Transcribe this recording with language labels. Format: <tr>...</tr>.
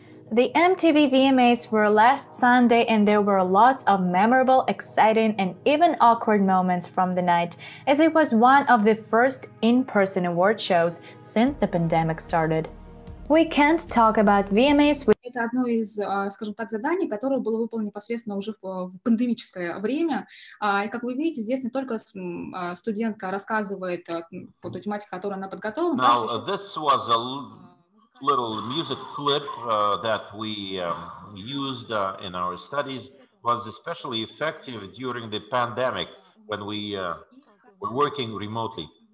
<en>The MTV VMAs were last Sunday and there were lots of memorable, exciting and even awkward moments from the night, as it was one of the first in-person award shows since the pandemic started. We can't talk about VMAs.</en> <ru>Это одно из, скажем так, заданий, которое было выполнено непосредственно уже в пандемическое время. И как вы видите, здесь не только студентка рассказывает по той тематике, которую она подготовила.</ru> <en>Now, this was a little music clip that we used in our studies. It was especially effective during the pandemic when we were working remotely.</en>